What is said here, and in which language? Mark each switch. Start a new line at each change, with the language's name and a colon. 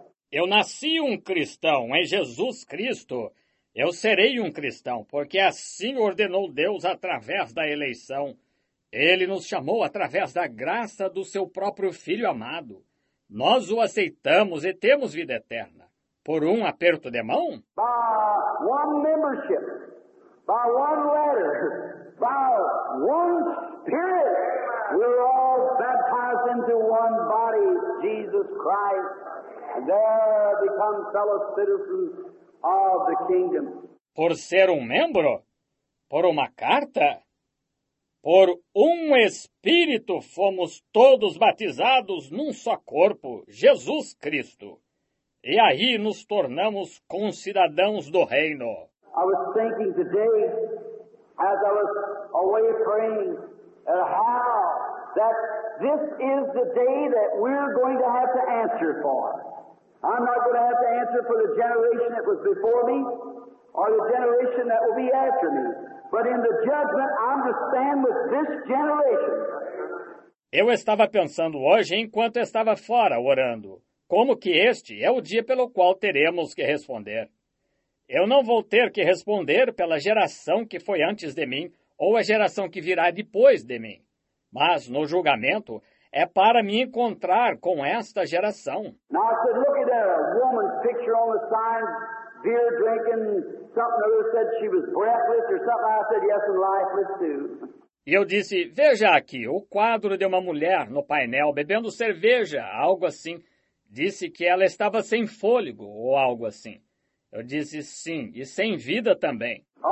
Portuguese: Eu nasci um cristão em Jesus Cristo. Eu serei um cristão, porque assim ordenou Deus através da eleição. Ele nos chamou através da graça do seu próprio Filho amado. Nós o aceitamos e temos vida eterna. Por um aperto de mão?
English: By one membership, by one letter, by one spirit. We're all baptized into one body, Jesus Christ, and there become fellow citizens of the kingdom.
Portuguese: Por ser membro? Por uma carta? Por Espírito fomos todos batizados num só corpo, Jesus Cristo. E aí nos tornamos concidadãos do reino.
English: I was thinking today, as I was away praying, at how that this is the day that we're going to have to answer for. I'm not going to have to answer for the generation that was before me or the generation that will be after me. But in the judgment, I'm to stand with this generation.
Portuguese: Eu estava pensando hoje enquanto estava fora orando, como que este é o dia pelo qual teremos que responder. Eu não vou ter que responder pela geração que foi antes de mim ou a geração que virá depois de mim. Mas, no julgamento, é para me encontrar com esta geração.
English: Now, I said, picture on the sign, beer drinking, something other said she was breathless or something. I said, yes, and lifeless too.
Portuguese: E eu disse, veja aqui, o quadro de uma mulher no painel bebendo cerveja, algo assim. Disse que ela estava sem fôlego ou algo assim. Eu disse, sim, e sem vida também.